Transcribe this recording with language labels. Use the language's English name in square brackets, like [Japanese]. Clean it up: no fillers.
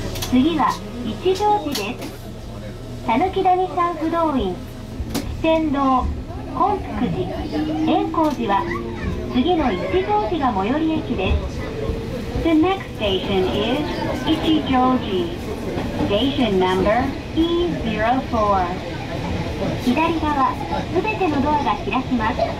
[Japanese] 次は一乗寺です。さぬき谷さん不動院、四天堂、金福寺、円光寺は次の一乗寺が最寄り駅です。 [English] The next station is 一乗寺。 Station number E04. [Japanese] 左側、すべてのドアが開きます。